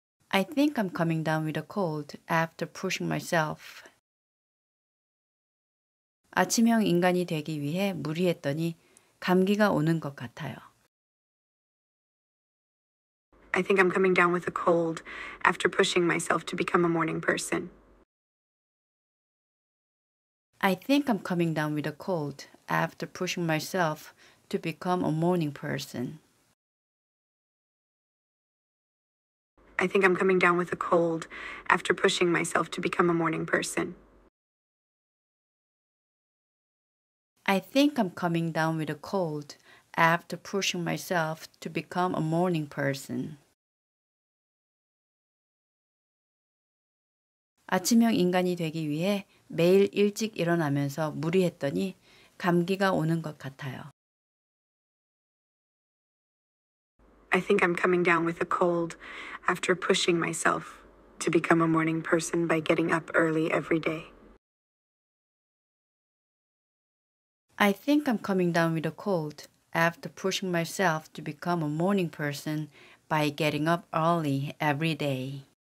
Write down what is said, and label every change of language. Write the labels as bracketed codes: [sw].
[en] I think I'm coming down with a cold after pushing myself. [ko] 아침형 인간이 되기 위해 무리했더니 감기가 오는 것 같아요. [en] I think I'm coming down with a cold after pushing myself to become a morning person. I think I'm coming down with a cold after pushing myself to become a morning person. I think I'm coming down with a cold after pushing myself to become a morning person. I think I'm coming down with a cold after pushing myself to become a morning person. [ko] 아침형 인간이 되기 위해 매일 일찍 일어나면서 무리했더니 감기가 오는 것 같아요. [en] I think I'm coming down with a cold after pushing myself to become a morning person by getting up early every day. I think I'm coming down with a cold after pushing myself to become a morning person by getting up early every day.